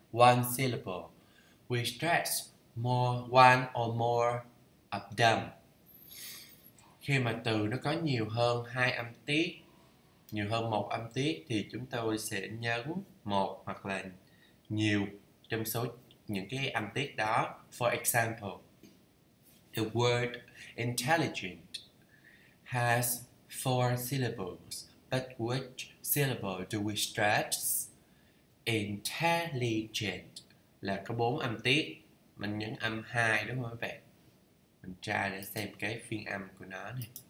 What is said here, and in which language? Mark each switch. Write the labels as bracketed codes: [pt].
[en] one syllable. We stress more one or more of them. [vi] Khi mà từ nó có nhiều hơn hai âm tiết, nhiều hơn một âm tiết thì chúng tôi sẽ nhấn một hoặc là nhiều trong số những cái âm tiết đó. [en] For example, the word intelligent has four syllables, but which syllable do we stress? [vi] Intelligent là có bốn âm tiết, mình nhấn âm hai đúng không các bạn? Mình tra để xem cái phiên âm của nó này.